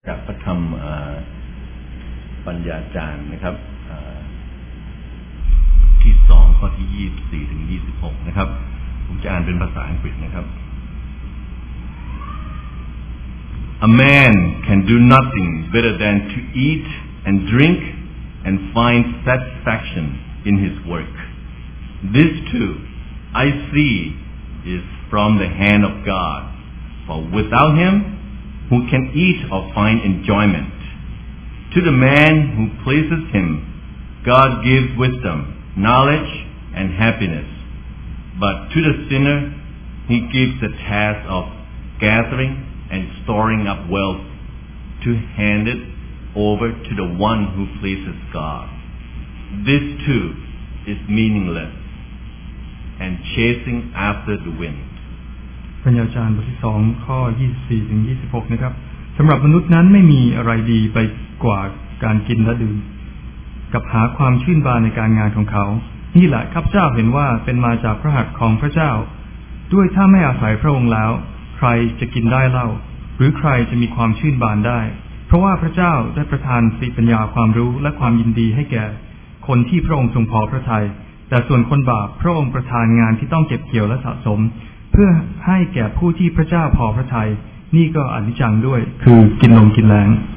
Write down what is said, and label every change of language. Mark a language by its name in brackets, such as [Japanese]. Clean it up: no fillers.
[Thai] จากพระธรรมปัญญาจารย์นะครับที่2ข้อที่24ถึง26นะครับผมจะอ่านเป็นภาษาอังกฤษนะครับ [English] A man can do nothing better than to eat and drink and find satisfaction in his work. This too, I see, is from the hand of God. For without him,who can eat or find enjoyment. To the man who pleases him, God gives wisdom, knowledge, and happiness. But to the sinner, he gives the task of gathering and storing up wealth to hand it over to the one who pleases God. This too is meaningless and chasing after the wind. [Thai] ปัญญาจารย์บทที่2ข้อ24ถึง26นะครับสำหรับมนุษย์นั้นไม่มีอะไรดีไปกว่าการกินและดื่มกับหาความชื่นบานในการงานของเขานี่แหละข้าพเจ้าเห็นว่าเป็นมาจากพระหัตถ์ของพระเจ้า ด้วยถ้าไม่อาศัยพระองค์แล้วใครจะกินได้เล่าหรือใครจะมีความชื่นบานได้เพราะว่าพระเจ้าได้ประทานสติปัญญาความรู้และความยินดีให้แก่คนที่พระองค์ทรงพอพระทัยแต่ส่วนคนบาปพระองค์ประทานงานที่ต้องเก็บเกี่ยวและสะสมเพื่อให้แก่ผู้ที่พระเจ้าพอพระทัยนี่ก็อนิจจังด้วยคือกินลมกินแรง